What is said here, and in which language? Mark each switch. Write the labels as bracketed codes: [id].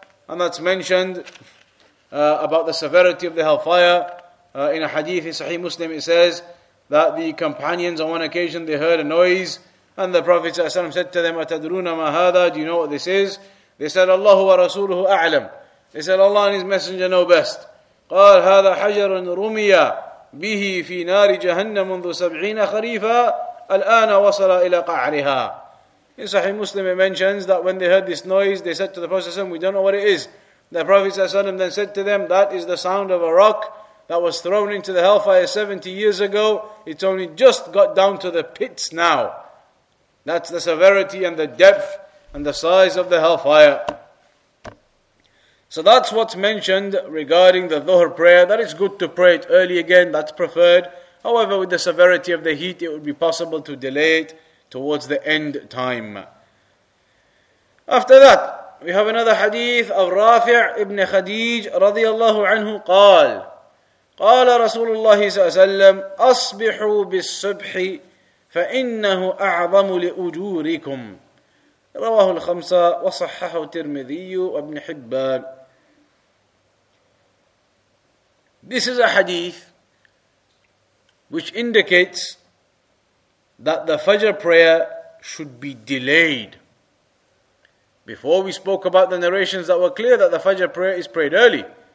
[en] And that's mentioned about the severity of the hellfire. In a hadith in Sahih Muslim, it says that the companions on one occasion, they heard a noise. And the Prophet ﷺ said to them, [ar] "Atadruna ma hadha?" [en] Do you know what this is? They said, [ar] "Allahu wa rasuluhu a'lam." [en] They said, "Allah and His Messenger know best." [ar] قال هذا حجر رمي به في نار جهنم منذ 70 خريفا الآن وصل إلى قعرها. [en] In Sahih Muslim it mentions that when they heard this noise, they said to the Prophet ﷺ, "We don't know what it is." The Prophet ﷺ then said to them, "That is the sound of a rock that was thrown into the hellfire 70 years ago. It's only just got down to the pits now." That's the severity and the depth and the size of the hellfire. So that's what's mentioned regarding the Dhuhr prayer. That is good to pray it early again, that's preferred. However, with the severity of the heat, it would be possible to delay it towards the end time. After that, we have another hadith of Rafi' ibn Khadij radiallahu anhu qal. [ar] Qala Rasulullah sallam, "Asbihu bis subhi fa innahu a'zamu li ujurikum." رواه الخمسة وصححه الترمذي وابن حبان. [en] This is a hadith which indicates that the Fajr prayer should be delayed. Before we spoke about the narrations that were clear that the Fajr prayer is prayed early.